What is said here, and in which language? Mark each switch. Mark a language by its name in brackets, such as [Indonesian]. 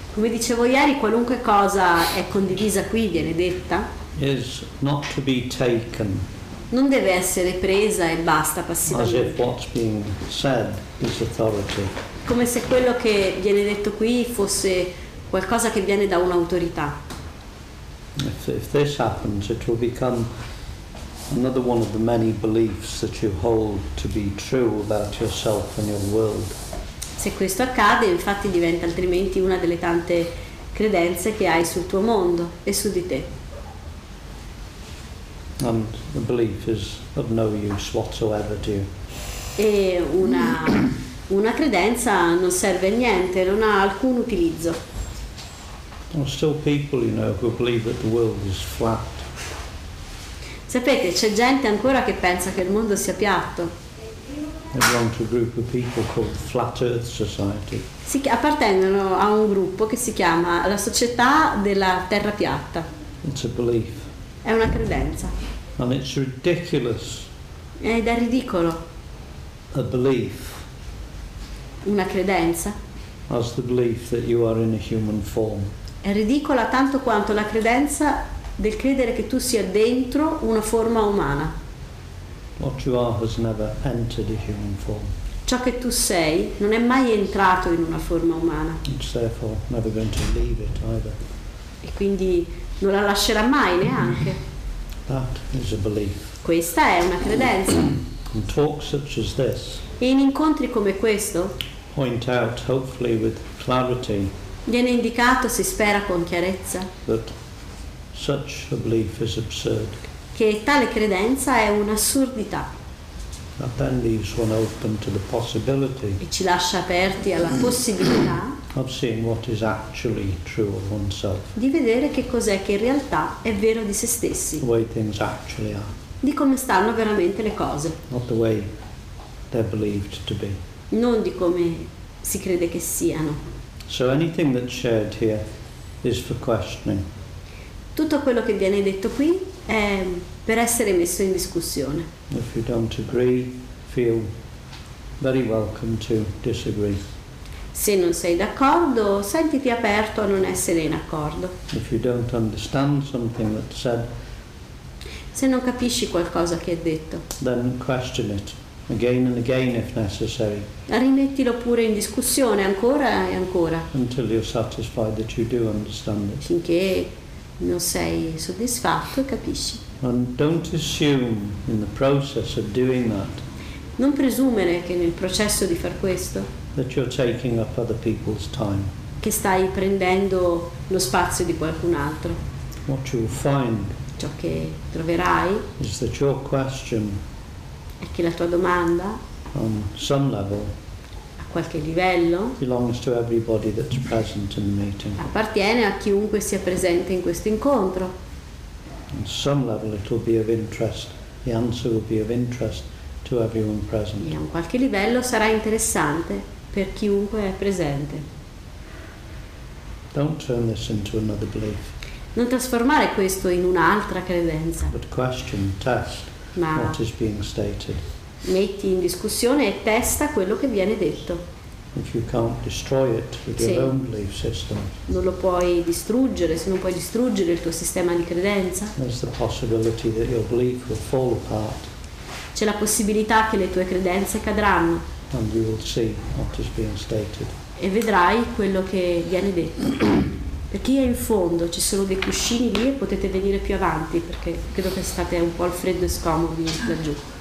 [Italian] Come dicevo ieri, qualunque cosa è condivisa qui, viene detta, [English] is not to be taken. [Italian] Non deve essere presa e basta passivamente. [English] As if what's being said is authority. [Italian] Come se quello che viene detto qui fosse qualcosa che viene da un'autorità. [English] If this happens, it will become another one of the many beliefs that you hold to be true about yourself and your world. [Italian] Se questo accade, infatti diventa altrimenti una delle tante credenze che hai sul tuo mondo e su di te. [English] And the belief is of no use whatsoever to you. [Italian] E una credenza non serve a niente, non ha alcun utilizzo. [English] There are still people, you know, who believe that the world is flat. [Italian] Sapete, c'è gente ancora che pensa che il mondo sia piatto. [English] They belong to a group of people called Flat Earth Society. [Italian] Si appartengono a un gruppo che si chiama la Società della Terra Piatta. [English] It's a belief. [Italian] È una credenza. [English] And it's ridiculous. [Italian] Ed è ridicolo. [English] A belief. [Italian] Una credenza. [English] As the belief that you are in a human form. [Italian] È ridicola tanto quanto la credenza del credere che tu sia dentro una forma umana. [English] What you are has never entered a human form. [Italian] Ciò che tu sei non è mai entrato in una forma umana. [English] It's therefore never going to leave it either. [Italian] E quindi non la lascerà mai neanche. [English] That is a belief. [Italian] Questa è una credenza. [English] In talks such as this, [Italian] e in incontri come questo, [English] point out, hopefully with clarity, [Italian] viene indicato, si spera con chiarezza, [English] that such a belief is absurd. [Italian] Che tale credenza è un'assurdità. [English] That then leaves one open to the possibility, [Italian] e ci lascia aperti alla possibilità, [English] of seeing what is actually true of oneself. [Italian] Di vedere che cos'è che in realtà è vero di se stessi. [English] The way things actually are. [Italian] Di come stanno veramente le cose. [English] Not the way they're believed to be. [Italian] Non di come si crede che siano. [English] So anything that's shared here is for questioning. [Italian] Tutto quello che viene detto qui è per essere messo in discussione. [English] If you don't agree, feel very welcome to disagree. [Italian] Se non sei d'accordo, sentiti aperto a non essere in accordo. [English] If you don't understand something that's said, [Italian] se non capisci qualcosa che è detto, [English] then question it again and again if necessary. [Italian] Rimettilo pure in discussione ancora e ancora. [English] Until you're satisfied that you do understand it. [Italian] Finché non sei soddisfatto e capisci. [English] And don't assume in the process of doing that. [Italian] Non presumere che nel processo di far questo, [English] that you're taking up other people's time. [Italian] Che stai prendendo lo spazio di qualcun altro. [English] What you will find, [Italian] ciò che troverai, [English] is that your question, [Italian] è che la tua domanda, [English] on some level, [Italian] a qualche livello, [English] belongs to everybody that's present in the meeting. [Italian] Appartiene a chiunque sia presente in questo incontro. [English] On some level it will be of interest. The answer will be of interest to everyone present. [Italian] E a un qualche livello sarà interessante per chiunque è presente. [English] Don't turn this into another belief. [Italian] Non trasformare questo in un'altra credenza. [English] But question, test, [Italian] ma [English] what is being stated. [Italian] Metti in discussione e testa quello che viene detto. [English] If you can't destroy it with your own belief system, [Italian] non lo puoi distruggere, se non puoi distruggere il tuo sistema di credenza, [English] there's the possibility that your belief will fall apart. [Italian] C'è la possibilità che le tue credenze cadranno. [English] And you will see what is being stated. [Italian] E vedrai quello che viene detto. Perché è in fondo, ci sono dei cuscini lì e potete venire più avanti, perché credo che state un po' al freddo e scomodi laggiù.